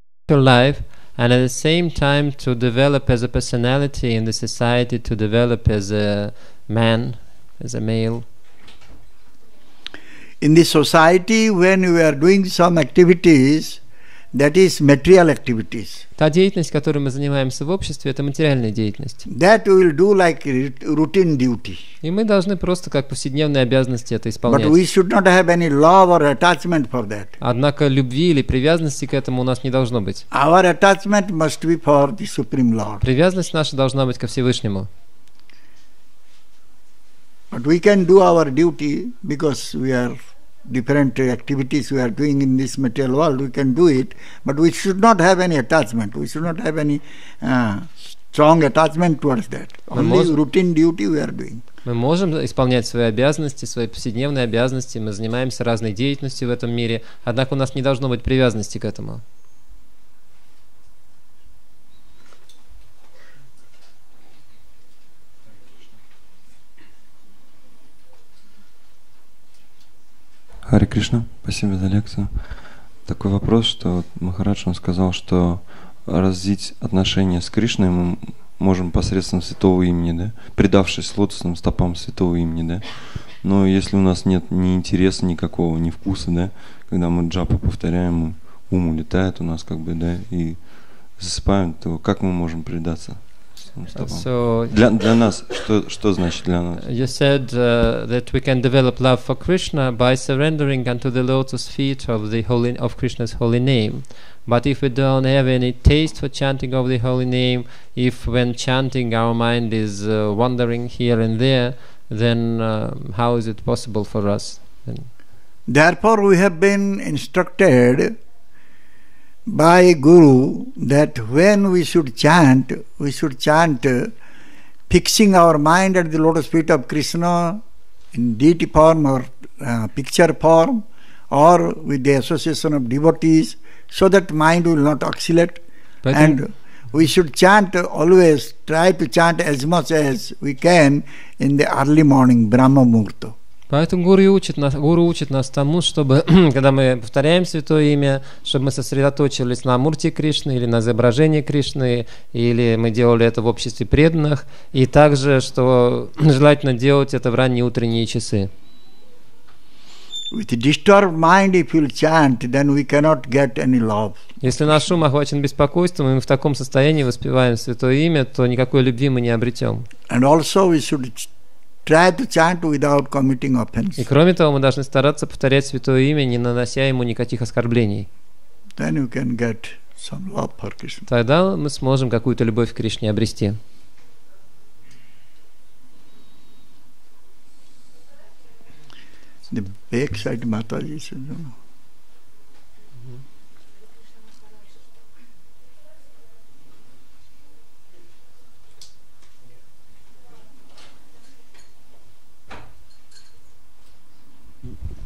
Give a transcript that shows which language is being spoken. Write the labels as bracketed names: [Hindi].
[English] life, and at the same time to develop as a personality in the society, to develop as a man, as a male. In the society, when we are doing some activities, that is material activities. [Russian] Та деятельность, которой мы занимаемся в обществе, это материальная деятельность. [English] That we will do like routine duty. [Russian] И мы должны просто как повседневные обязанности это исполнять. [English] But we should not have any love or attachment for that. [Russian] Однако любви или привязанности к этому у нас не должно быть. [English] Our attachment must be for the Supreme Lord. [Russian] Привязанность наша должна быть ко Всевышнему. [English] But we can do our duty because we are different activities we are doing in this material world, we can do it, but we should not have any attachment. We should not have any strong attachment towards that. Only routine duty we are doing. [Russian] Мы можем исполнять свои обязанности, свои повседневные обязанности. Мы занимаемся разной деятельностью в этом мире. Однако у нас не должно быть привязанности к этому. Харе Кришна, спасибо за лекцию. Такой вопрос, что Махарадж, он сказал, что развить отношения с Кришной мы можем посредством святого имени, да? Предавшись лотосным стопам святого имени, да? Но если у нас нет ни интереса никакого, ни вкуса, да? Когда мы джапу повторяем, ум улетает у нас, как бы, да? И засыпаем, то как мы можем предаться? [English] So [Russian] для нас что значит для нас? [English] You said that we can develop love for Krishna by surrendering unto the lotus feet of the holy of Krishna's holy name. But if we don't have any taste for chanting of the holy name, if when chanting our mind is wandering here and there, then how is it possible for us? Then? Therefore, we have been instructed by Guru that when we should chant fixing our mind at the lotus feet of Krishna in deity form or picture form or with the association of devotees so that mind will not oscillate. But and we should chant always, try to chant as much as we can in the early morning, Brahma Muhurta. [Russian] Поэтому Гуру учит нас тому, чтобы, когда мы повторяем Святое Имя, чтобы мы сосредоточились на Мурте Кришны или на изображении Кришны, или мы делали это в обществе преданных, и также, что желательно делать это в ранние утренние часы. [English] With a disturbed mind, if you chant, then we cannot get any love. [Russian] Если наш ум охвачен беспокойством, и мы в таком состоянии воспеваем Святое Имя, то никакой любви мы не обретем. [English] And also we should try to chant without committing offense. [Russian] И кроме того, мы должны стараться повторять Святое Имя, не нанося ему никаких оскорблений. [English] Then you can get some love for Krishna. [Russian] Тогда мы сможем какую-то любовь к Кришне обрести. [English] The backside Mataji said, you know.